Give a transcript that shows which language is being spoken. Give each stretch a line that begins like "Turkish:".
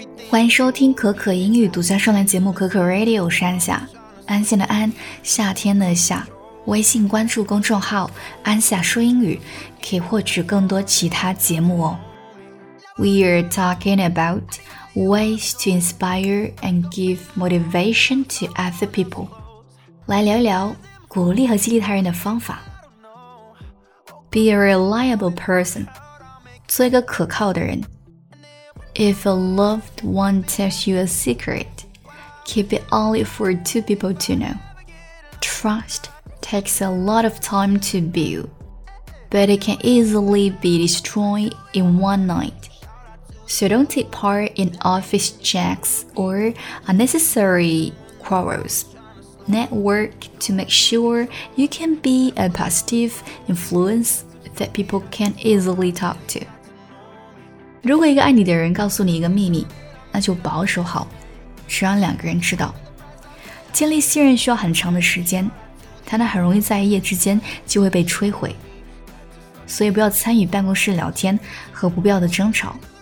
Chinese: 欢迎收听可可英语独家专栏节目可可 Radio， 是安夏，安心的安，夏天的夏。微信关注公众号安夏说英语，可以获取更多其他节目哦。
English: We are talking about ways to inspire and give motivation to other people.
Chinese: 来聊一聊鼓励和激励他人的方法。
English: Be a reliable person.
Chinese: 做一个可靠的人。
English: If a loved one tells you a secret, keep it only for two people to know. Trust takes a lot of time to build, but it can easily be destroyed in one night. So don't take part in office checks or unnecessary quarrels. Network to make sure you can be a positive influence that people can easily talk to.
Chinese: 如果一个爱你的人告诉你一个秘密，那就保守好，只让两个人知道。建立信任需要很长的时间，它呢很容易在一夜之间就会被摧毁。所以不要参与办公室聊天和不必要的争吵。